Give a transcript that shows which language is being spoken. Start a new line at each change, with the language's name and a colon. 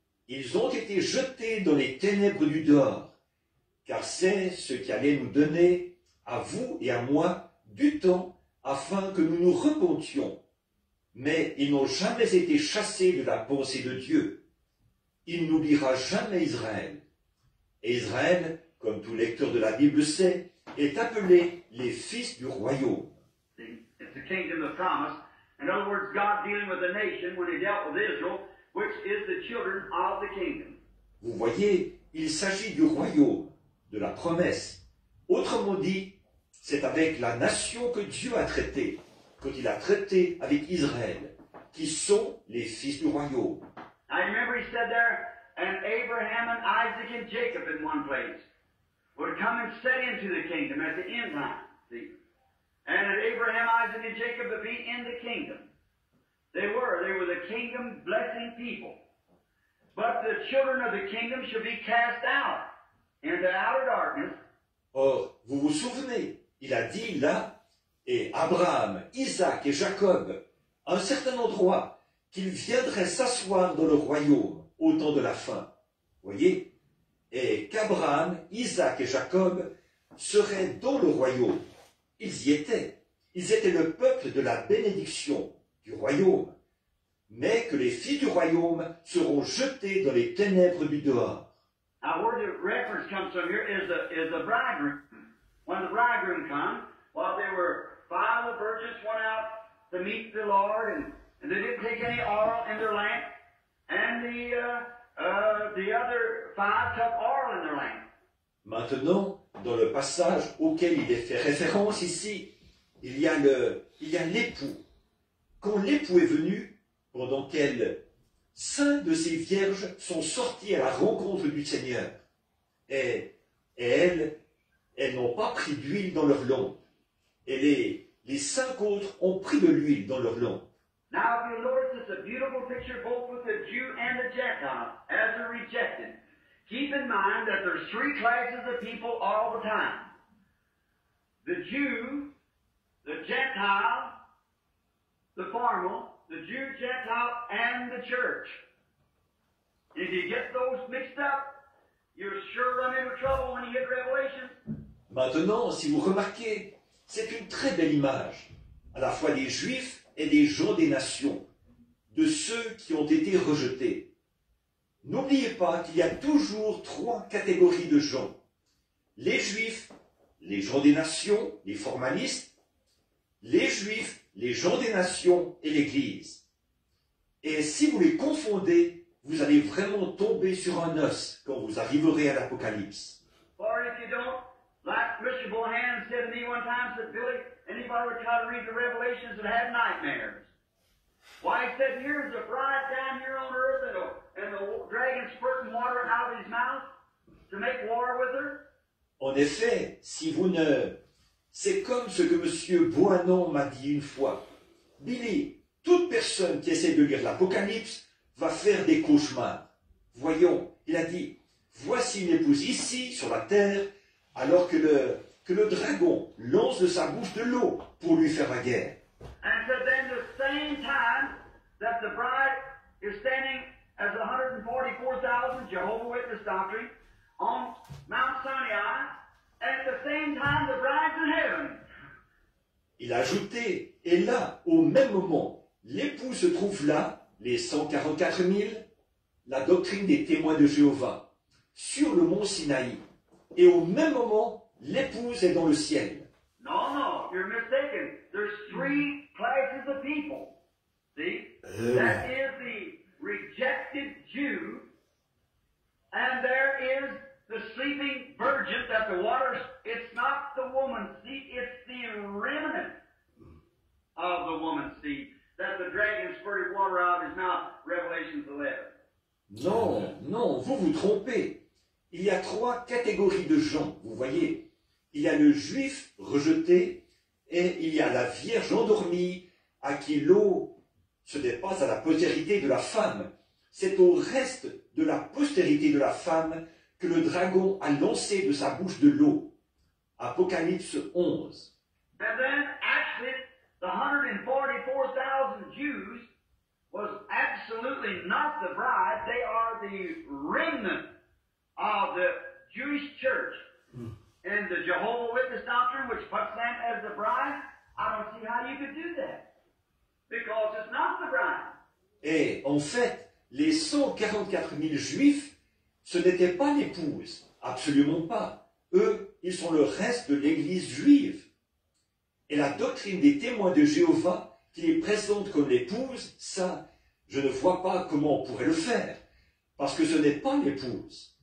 French: Ils ont été jetés dans les ténèbres du dehors, car c'est ce qui allait nous donner à vous et à moi du temps afin que nous nous repentions. Mais ils n'ont jamais été chassés de la pensée de Dieu. Il n'oubliera jamais Israël. Et Israël, comme tout lecteur de la Bible sait, est appelé les fils du royaume.
English: It's the kingdom of promise. In other words, God dealing with the nation when he dealt with Israel, which is the children of the kingdom.
French: Vous voyez, il s'agit du royaume, de la promesse. Autrement dit, c'est avec la nation que Dieu a traité, quand il a traité avec Israël, qui sont les fils du royaume.
English: I remember he said there, and Abraham and Isaac and Jacob in one place would come and set into the kingdom at the end time, see? And that Abraham, Isaac, and Jacob would be in the kingdom. They were the kingdom blessing people. But the children of the kingdom should be cast out into outer darkness.
French: Or, vous vous souvenez, il a dit là, et Abraham, Isaac et Jacob, à un certain endroit, qu'ils viendraient s'asseoir dans le royaume au temps de la fin. Voyez, et qu'Abraham, Isaac et Jacob seraient dans le royaume. Ils y étaient. Ils étaient le peuple de la bénédiction du royaume. Mais que les filles du royaume seront jetées dans les ténèbres du dehors.
English: Now, where the reference comes from here is the bridegroom. When the bridegroom comes, while there were five of the virgins went out to meet the Lord, and they didn't take any oil in their lamp, and the other five took oil in their lamp.
French: Maintenant, dans le passage auquel il est fait référence ici, il y a l'époux. Quand l'époux est venu, pendant qu'elle, cinq de ces vierges sont sorties à la rencontre du Seigneur. Et elles n'ont pas pris d'huile dans leur lampe. Et les cinq autres ont pris de l'huile dans leur lampe.
English: Now, if you notice, it's a beautiful picture both with the Jew and the Gentile as they're rejected. Keep in mind that there's three classes of people all the time. The Jew, the Gentile, the formal, the Jew, Gentile, and the church. If you get those mixed up, you're sure run into trouble when you get Revelation.
French: Maintenant, si vous remarquez, c'est une très belle image, à la fois des Juifs et des gens des nations, de ceux qui ont été rejetés. N'oubliez pas qu'il y a toujours trois catégories de gens. Les Juifs, les gens des nations, les formalistes, les Juifs, les gens des nations et l'Église. Et si vous les confondez, vous allez vraiment tomber sur un os quand vous arriverez à l'Apocalypse.
English: Or if you don't, like Mr. Bohan said to me one time, said, Billy, anybody would try to read the Revelations and have nightmares. Why, he said, here's a bride down here on earth and the dragon spurting water out of his mouth to make war with her.
French: En effet, si vous ne... C'est comme ce que Monsieur Boanon m'a dit une fois. Billy, toute personne qui essaie de lire l'Apocalypse va faire des cauchemars. Voyons, il a dit, voici une épouse ici, sur la terre, alors que le dragon lance de sa bouche de l'eau pour lui faire la guerre.
English: And so then the same time that the bride is standing as 144,000 Jehovah's Witness doctrine on Mount Sinai, at the same time the bride's in heaven.
French: Il a ajouté, et là, au même moment, l'époux se trouve là, les 144 000, la doctrine des témoins de Jéhovah, sur le mont Sinaï. et au même moment, l'épouse est dans le ciel. Non, non,
English: you're mistaken. There's three classes of people. See? That is the rejected Jew, and there is the sleeping virgin that the waters, it's not the woman's seed, it's the remnant of the woman's seed that the dragon spurted water out of his mouth, Revelation 11.
French: Non, non, vous vous trompez. Il y a trois catégories de gens, vous voyez. Il y a le juif rejeté, et il y a la vierge endormie, à qui l'eau se dépasse à la postérité de la femme. C'est au reste de la postérité de la femme que le dragon a lancé de sa bouche de l'eau. Apocalypse 11.
English: And then, actually, the 144,000 Jews was absolutely not the bride. They are the remnant of the Jewish church. And the Jehovah's Witness doctrine, which puts them as the bride, I don't see how you could do that. Because it's not the bride.
French: Et en fait, les 144 000 juifs, ce n'étaient pas l'épouse, absolument pas. Eux, ils sont le reste de l'Église juive. Et la doctrine des témoins de Jéhovah, qui les présente comme l'épouse, ça, je ne vois pas comment on pourrait le faire, parce que ce n'est pas l'épouse.